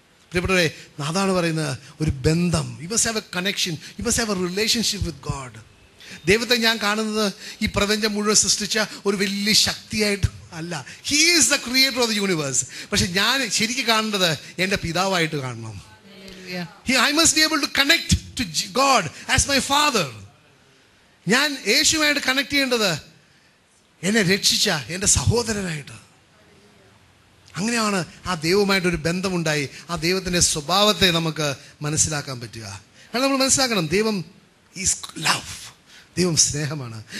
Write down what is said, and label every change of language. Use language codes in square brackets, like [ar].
[ml] പ്രിയപ്പെട്ടവരെ, അതാണ് പറയുന്നത്, ഒരു ബന്ധം. [en] You must have a connection, you must have a relationship with God. [ml] ദൈവത്തെ ഞാൻ കാണുന്നത് ഈ പ്രപഞ്ചം മുഴുവൻ സൃഷ്ടിച്ച ഒരു വലിയ ശക്തിയായിട്ട് അല്ല. [en] He is the creator of the universe. [ml] പക്ഷെ ഞാൻ ശരിക്കും കാണേണ്ടത് എൻ്റെ പിതാവായിട്ട് കാണണം. [en] I must be able to connect to God as my father. [ml] ഞാൻ യേശുവായിട്ട് കണക്ട് ചെയ്യേണ്ടത് എന്നെ രക്ഷിച്ച എൻ്റെ സഹോദരനായിട്ട്. അങ്ങനെയാണ് ആ ദൈവമായിട്ടൊരു ബന്ധമുണ്ടായി ആ ദൈവത്തിൻ്റെ സ്വഭാവത്തെ നമുക്ക് മനസ്സിലാക്കാൻ പറ്റുക. കാരണം നമ്മൾ മനസ്സിലാക്കണം, ദൈവം [en] is love, [ml] ദൈവം സ്നേഹമാണ്.